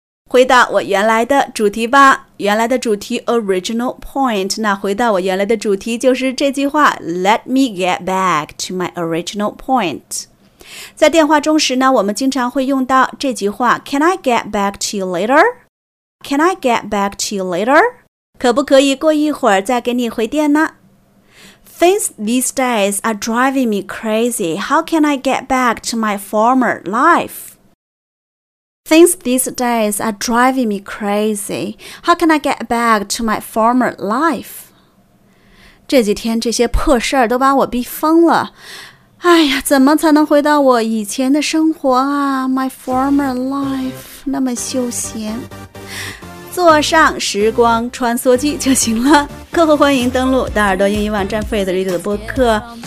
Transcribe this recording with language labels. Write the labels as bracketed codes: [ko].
[zh] 回到我原来的主题吧。原来的主题 [en] original point， [zh] 那回到我原来的主题就是这句话 [en] Let me get back to my original point。 [zh] 在电话中时呢，我们经常会用到这句话 [en] Can I get back to you later? Can I get back to you later? [zh] 可不可以过一会儿再给你回电呢？ [en] Things these days are driving me crazy. How can I get back to my former life? Things these days are driving me crazy. How can I get back to my former life? [zh] 这几天这些破事儿都把我逼疯了。哎呀，怎么才能回到我以前的生活啊 ？ [en] My former life [zh] 那么休闲，坐上时光穿梭机就行了。客户欢迎登录大耳朵英语网站 Faith Radio 的播客，